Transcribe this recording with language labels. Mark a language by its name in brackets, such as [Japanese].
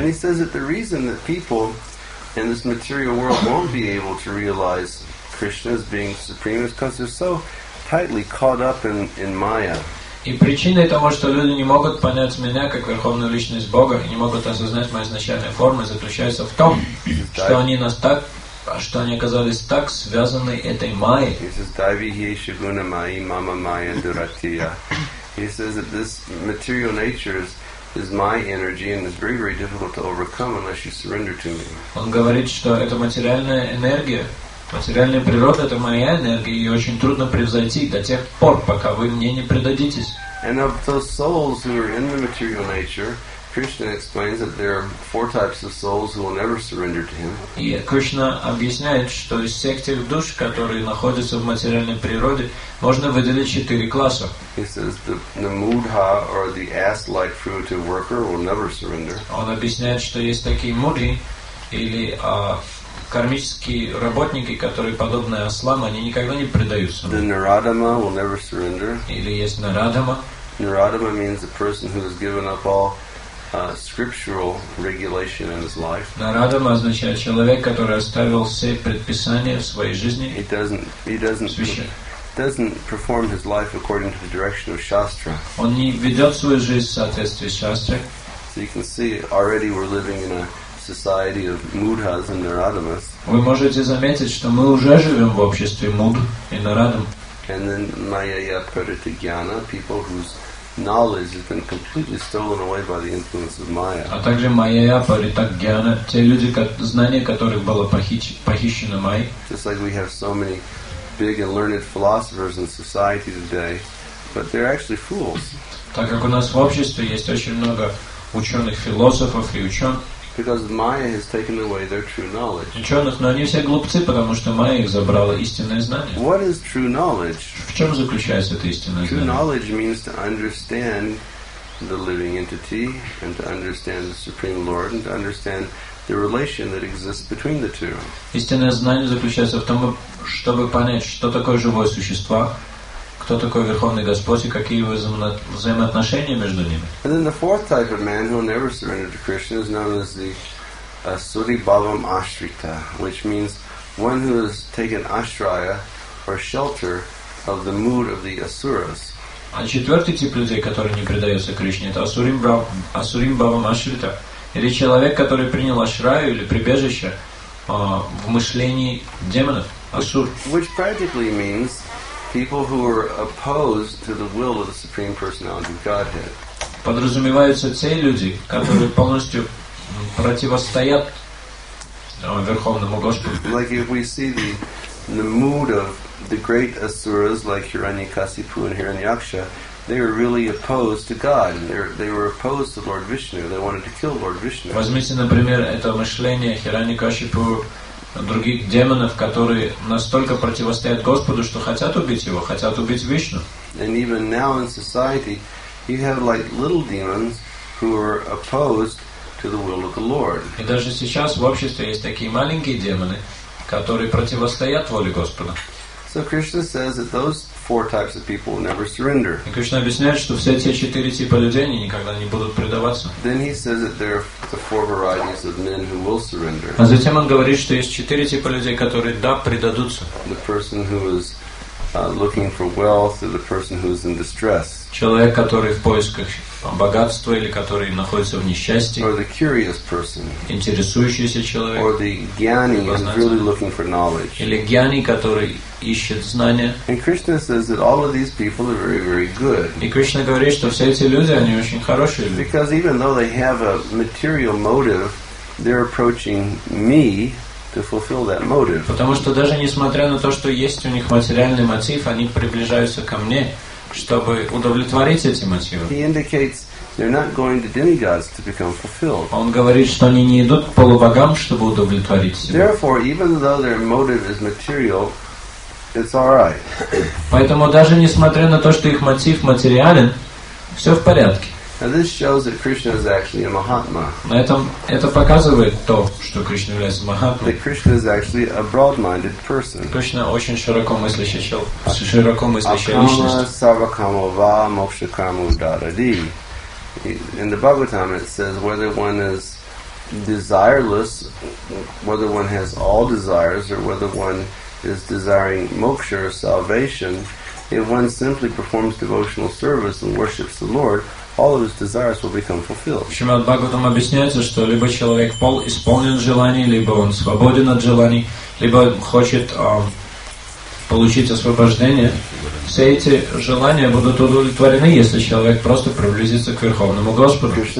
[English] And he says that the reason that people in this material world won't be able to realize Krishna as being supreme is because they're so tightly caught up in Maya. [Russian] И причиной того, что люди не могут понять меня как верховную личность Бога и не могут осознать мою изначальную форму, заключается в том, что они оказались так связаны этой Майей. [English] He says, [Sanskrit] "Daivihesha guna mai mama maya duratiya." [English] He says that this material nature is is my energy and is very, very difficult to overcome unless you surrender to me. [Russian] Он говорит, что это материальная энергия, материальная природа – это моя энергия, и очень трудно превзойти до тех пор, пока вы мне не предадитесь. [English] And of those souls who are in the material nature, Krishna explains that there are four types of souls who will never surrender to him. [Russian] И Кришна объясняет, что из всех тех душ, которые находятся в материальной природе, можно выделить четыре класса. [English] He says the mudha or the ass-like fruitive worker will never surrender. [Russian] Он объясняет, что есть такие мудхи или кармические работники, которые подобны ослам, они никогда не предаются. [English] The Naradama will never surrender. [Russian] Или есть Нарадама. [English] Naradama means the person who has given up all scriptural regulation in his life. [Russian] Нарадама означает человек, который оставил все предписания в своей жизни. [English] He doesn't perform his life according to the direction of Shastra. [Russian] Он не ведет свою жизнь в соответствии с Шастрой. [English] So you can see already we're living in a society of mudhas and naradamas. [Russian] Вы можете заметить, что мы уже живем в обществе муд и нарадам. [English] And then Mayaya Pratityana, people whose knowledge has been completely stolen away by the influence of Maya. [Russian] А также Майя Паритакьяна, те люди, знание которых было похищено Майей. [English] Just like we have so many big and learned philosophers in society today, but they're actually fools. [Russian] Так как у нас в обществе есть очень много ученых философов и ученых. [English] Because Maya has taken away their true knowledge. [Russian] Ученых, но они все глупцы, потому что Майя их забрала истинное знание. [English] What is true knowledge? [Russian] В чем заключается эта истина? [English] True knowledge means to understand the living entity and to understand the Supreme Lord and to understand the relation that exists between the two. [Russian] Истинное знание заключается в том, чтобы понять, что такое живое существо, кто такой Верховный Господь и какие его взаимоотношения между ними. [English] And then the fourth type of man who never surrendered to Krishna is known as the Asuri Bhavam Ashrita, which means one who has taken ashraya or shelter of the mood of the asuras. [Russian] А четвертый тип людей, который не предается Кришне, это Асурим Бхавам Ашрита, или человек, который принял ашраю или прибежище в мышлении демонов, асур. [English] Which practically means people who are opposed to the will of the Supreme Personality of Godhead. [Russian] Подразумеваются те люди, которые полностью противостоят Верховному Господу. [English] Like if we see the mood of the great asuras like Hiranyakasipu and Hiranyaksha, they were really opposed to God. They were opposed to Lord Vishnu. They wanted to kill Lord Vishnu. [Russian] Возьмите, например, это мышление Хираньякашипу, других демонов, которые настолько противостоят Господу, что хотят убить его, хотят убить Вишну. [English] And even now in society, you have like little demons who are opposed to the will of the Lord. [Russian] И даже сейчас в обществе есть такие маленькие демоны, которые противостоят воле Господа. [English] So Krishna says that those four types of people will never surrender. [Russian] И Кришна объясняет, что все те четыре типа людей никогда не будут предаваться. [English] Then he says that there are the four varieties of men who will surrender. [Russian] А затем он говорит, что есть четыре типа людей, которые да предадутся. [English] The person who is looking for wealth, or the person who is in distress. [Russian] Человек, который в поисках богатства или который находится в несчастье. [English] Or the curious person. [Russian] Интересующийся человек. [English] Or the gyani who is really looking for knowledge. [Russian] Или гьяни, который ищет знания. [English] And Krishna says that all of these people are very, very good. [Russian] И Кришна говорит, что все эти люди, они очень хорошие люди. [English] Because even though they have a material motive, they're approaching me to fulfill that motive. [Russian] Потому что даже несмотря на то, что есть у них материальный мотив, они приближаются ко мне, чтобы удовлетворить эти мотивы. [English] He indicates they're not going to demigods to become fulfilled. [Russian] Он говорит, что они не идут к полубогам, чтобы удовлетворить себя. [English] Therefore, even though their motive is material, it's all right. [Russian] Поэтому даже несмотря на то, что их мотив материален, все в порядке. [English] Now this shows that Krishna is actually a Mahatma. [Russian] На этом это показывает то, что Кришна является Махатмой. [English] That Krishna is actually a broad-minded person. [Russian] Кришна очень широкомыслящая личность. [Sanskrit] Акама сарвакама ва мокшакама ударати. [English] In the Bhagavatam it says whether one is desireless, whether one has all desires, or whether one is desiring moksha or salvation, if one simply performs devotional service and worships the Lord, all of his desires will become fulfilled. [Russian] Шримад Бхагаватам объясняется, что либо человек исполнен желаний, либо он свободен от желаний, либо хочет получить освобождение, все эти желания будут удовлетворены, если человек просто приблизится к Верховному Господу.